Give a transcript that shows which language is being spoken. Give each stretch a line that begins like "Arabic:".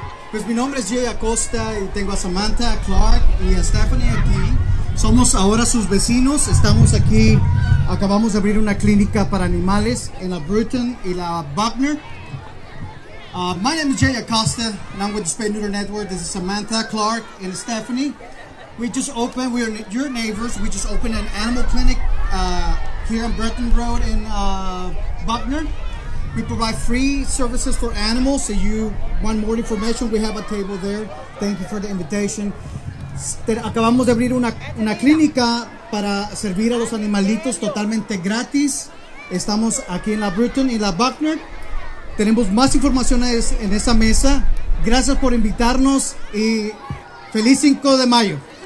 Spanish: Pues mi nombre es Jay Acosta y tengo a Samantha, a Clark y a Stephanie aquí. Somos ahora sus vecinos. Estamos aquí, acabamos de abrir una clínica para animales en la Bruton y la Buckner.
English: My name is Jay Acosta and I'm with the Spay Neuter Network. This is Samantha, Clark and Stephanie. We just opened, we are your neighbors. We just opened an animal clinic here on Bruton Road in Buckner. We provide free services for animals. So you want more information, we have a table there. Thank you for the invitation.
Spanish: Acabamos de abrir una clínica para servir a los animalitos totalmente gratis. Estamos aquí en la Bruton y la Buckner. Tenemos más información en esa mesa. Gracias por invitarnos y feliz 5 de mayo.